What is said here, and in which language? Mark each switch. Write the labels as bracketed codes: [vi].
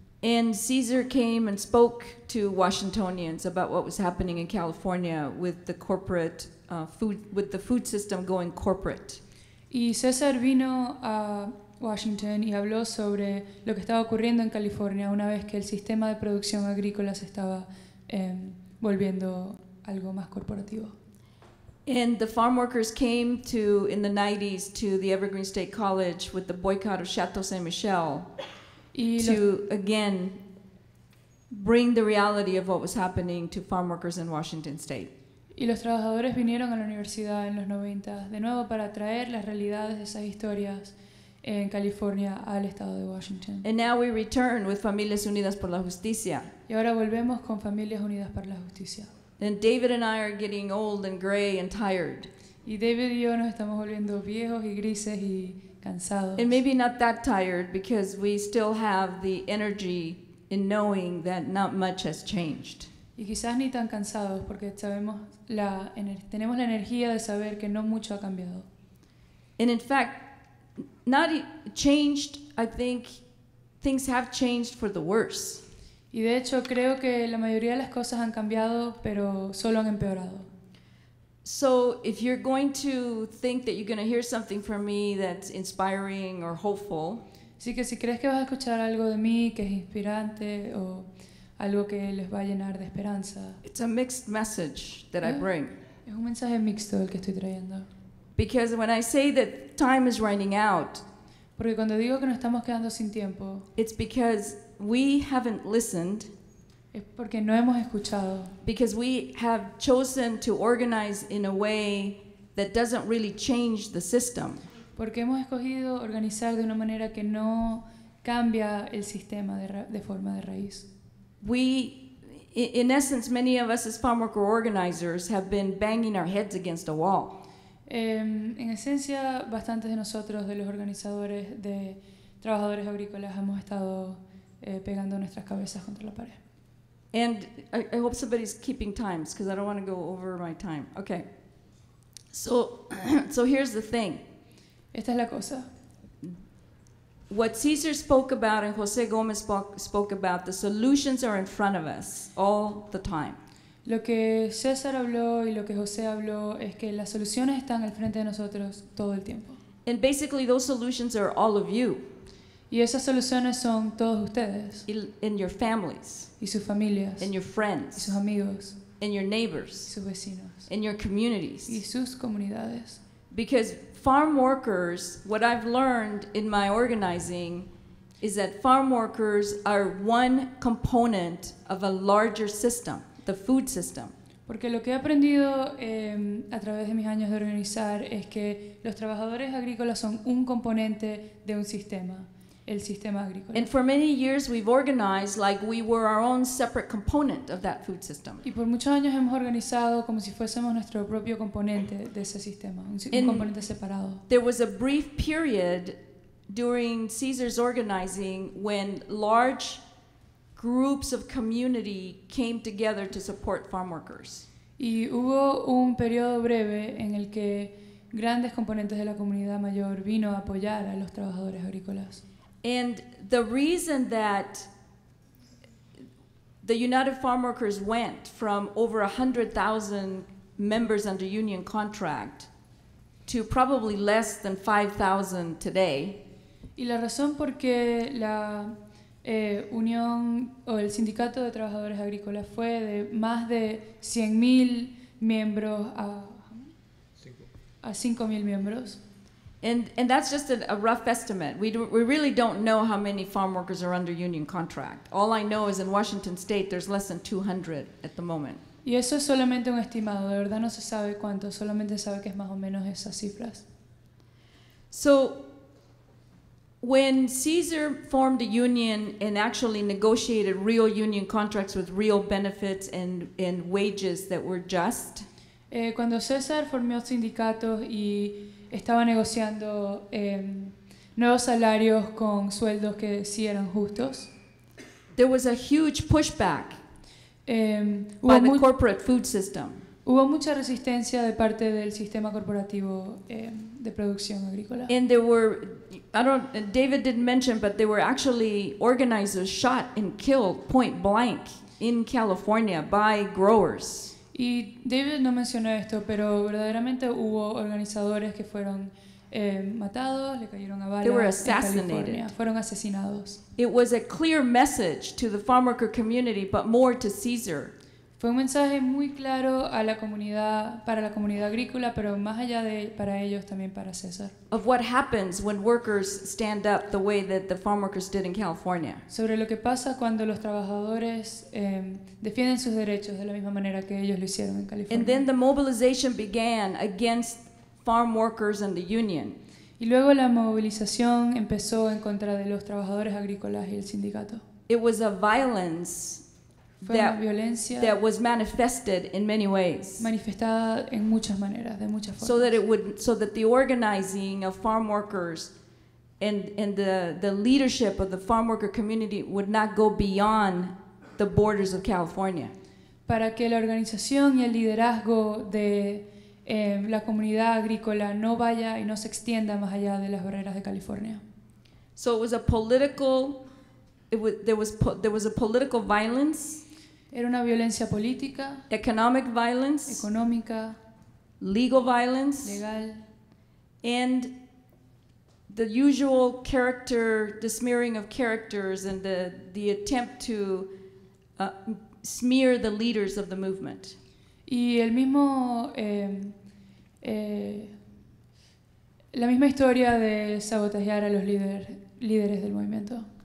[en] And Caesar came and spoke to Washingtonians about what was happening in California with the corporate food, with the food system going corporate. [es] Y César vino a Washington y habló sobre lo que estaba ocurriendo en California una vez que el sistema de producción agrícola se estaba volviendo algo más corporativo. [en] And the farm workers came to, in the 90s, to the Evergreen State College with the boycott of Chateau Saint Michel to, again, bring the reality of what was happening to farm workers in Washington State. [es] Y los trabajadores vinieron a la universidad en los 90 de nuevo para traer las realidades de esas historias en California al estado de Washington. [en] And now we return with Familias Unidas por la Justicia. [es] Y ahora volvemos con Familias Unidas por la Justicia. [en] And David and I are getting old and gray and tired. [es] Y David y yo nos estamos volviendo viejos y grises y cansados. [en] And maybe not that tired because we still have the energy in knowing that not much has changed. [es] Y quizás ni tan cansados porque sabemos la tenemos la energía de saber que no mucho ha cambiado. [en] And in fact, not changed, I think things have changed for the worse. [es] Y de hecho creo que la mayoría de las cosas han cambiado, pero solo han empeorado. [en] So if you're going to think that you're going to hear something from me that's inspiring or hopeful, [es] así que si crees que vas a escuchar algo de mí que es inspirante o algo que les va a llenar de esperanza. [en] It's a mixed message that I bring. [es] Es un mensaje mixto el que estoy trayendo. [en] Because when I say that time is running out, [es] porque cuando digo que nos estamos quedando sin tiempo, [en] it's because we haven't listened. [es] Es porque no hemos escuchado. [en] Because we have chosen to organize in a way that doesn't really change the system. [es] Porque hemos escogido organizar de una manera que no cambia el sistema de forma de raíz. [en] We, in essence, many of us as farmworker organizers have been banging our heads against a wall. [es] En esencia, bastantes de nosotros, de los organizadores de trabajadores agrícolas, hemos estado pegando nuestras cabezas contra la pared. [en] And I hope somebody's keeping times because I don't want to go over my time. Okay. So here's the thing. [es] Esta es la cosa. [en] What Caesar spoke about and José Gómez spoke about, the solutions are in front of us all the time. [es] Lo que César habló y lo que José habló es que las soluciones están al frente de nosotros todo el tiempo. [en] And basically those solutions are all of you. [es] Y esas soluciones son todos ustedes. [en] In your families. [es] Y sus familias. [en] In your friends. [es] Y sus amigos. [en] In your neighbors. [es] Y sus vecinos. [en] In your communities. [es] Y sus comunidades. [en] Because farm workers, what I've learned in my organizing is that farm workers are one component of a larger system, the food system. [es] Porque lo que he aprendido a través de mis años de organizar es que los trabajadores agrícolas son un componente de un sistema, el sistema agrícola. [en] And for many years we've organized like we were our own separate component of that food system. [es] Y por muchos años hemos organizado como si fuésemos nuestro propio componente de ese sistema, un componente separado. [en] There was a brief period during Caesar's organizing when large groups of community came together to support farm workers. [es] Y hubo un periodo breve en el que grandes componentes de la comunidad mayor vino a apoyar a los trabajadores agrícolas. [en] And the reason that the United Farm Workers went from over 100,000 members under union contract to probably less than 5,000 today. [es] Y la razón por qué la unión o el sindicato de trabajadores agrícolas fue de más de 100,000 miembros a 5,000 miembros. [en] And that's just a rough estimate. We really don't know how many farm workers are under union contract. All I know is in Washington State there's less than 200 at the moment. [es] Y eso es solamente un estimado. De verdad no se sabe cuánto. Solamente sabe que es más o menos esas cifras. [en] So when Caesar formed a union and actually negotiated real union contracts with real benefits and wages that were just. [es] Cuando César formó sindicatos y estaba negociando nuevos salarios con sueldos que sí eran justos. [en] There was a huge pushback by the corporate food system. [es] Hubo mucha resistencia de parte del sistema corporativo de producción agrícola. [en] And there were, David didn't mention, but there were actually organizers shot and killed point blank in California by growers. [es] Y David no mencionó esto, pero verdaderamente hubo organizadores que fueron matados, le cayeron a balas en California. Fueron asesinados. [en] It was a clear message to the farm worker community, but more to Caesar. [es] Fue un mensaje muy claro a la comunidad, para la comunidad agrícola, pero más allá de para ellos también para César. [en] Of what happens when workers stand up the way that the farm workers did in California. [es] Sobre lo que pasa cuando los trabajadores defienden sus derechos de la misma manera que ellos lo hicieron en California. [en] And then the mobilization began against farm workers and the union. [es] Y luego la movilización empezó en contra de los trabajadores agrícolas y el sindicato. [en] It was a violence that was manifested in many ways. [es] Manifestada en muchas maneras, de muchas formas. [en] So that the organizing of farm workers and the leadership of the farm worker community would not go beyond the borders of California. [es] Para que la organización y el liderazgo de la comunidad agrícola no vaya y no se extienda más allá de las barreras de California. [en] So it was a political, there was a political violence. [es] Era una violencia política. [en] Economic violence. [es] Económica. [en] Legal violence. [es] Legal. [en] And the usual character, the smearing of characters and the attempt to smear the leaders of the movement. [es] Y el mismo, la misma historia de sabotear a los líderes del movimiento.